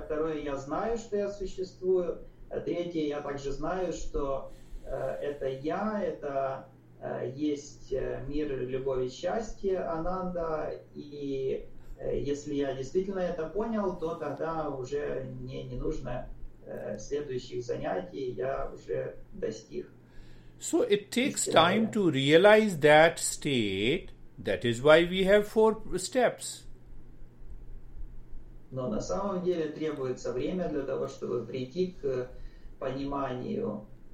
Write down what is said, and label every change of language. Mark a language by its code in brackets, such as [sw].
[ru] Второе, я знаю, что я существую. Третье, я также знаю, что это я, это есть мир, любовь и счастье, Ананда. И если я действительно это понял, то тогда уже мне не нужно следующих занятий, я уже достиг. [en] So it takes time to realize that state. That is why we have four steps. [ru] Но на самом деле требуется время для того, чтобы прийти к пониманию